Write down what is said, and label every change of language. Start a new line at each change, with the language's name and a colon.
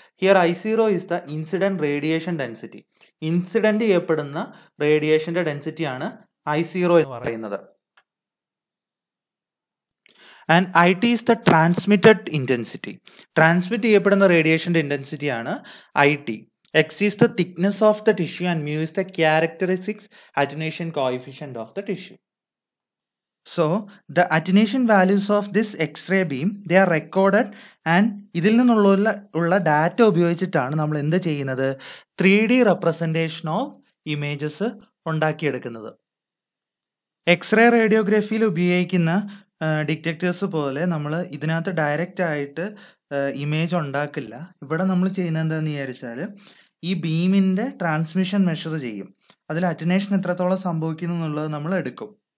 English: here I zero is the incident radiation density,
Malayalam: incident ചെയ്യപ്പെടുന്ന റേഡിയേഷന്റെ ഡെൻസിറ്റിയാണ് I zero എന്ന് പറയുന്നത്.
English: and I T is the transmitted intensity,
Malayalam: transmit ചെയ്യപ്പെടുന്ന റേഡിയേഷന്റെ ഇൻറ്റൻസിറ്റിയാണ് I T.
English: X is the thickness of the tissue and mu is the characteristics attenuation coefficient of the tissue. So, the attenuation values of this X-ray beam, they are recorded and
Malayalam: ഇതിൽ നിന്നുള്ള data ഉപയോഗിച്ചിട്ടാണ് നമ്മൾ എന്ത് ചെയ്യുന്നത്, 3D representation of images ഉണ്ടാക്കിയെടുക്കുന്നത്. X-ray റേഡിയോഗ്രഫിയിൽ ഉപയോഗിക്കുന്ന detectors പോലെ നമ്മൾ ഇതിനകത്ത് ഡയറക്റ്റ് ആയിട്ട് ഇമേജ് ഉണ്ടാക്കില്ല. ഇവിടെ നമ്മൾ ചെയ്യുന്നത് എന്താണെന്ന് വിചാരിച്ചാൽ, ഈ ബീമിൻ്റെ ട്രാൻസ്മിഷൻ മെഷർ ചെയ്യും, അതിൽ അറ്റനേഷൻ എത്രത്തോളം സംഭവിക്കുന്നു എന്നുള്ളത് നമ്മൾ എടുക്കും.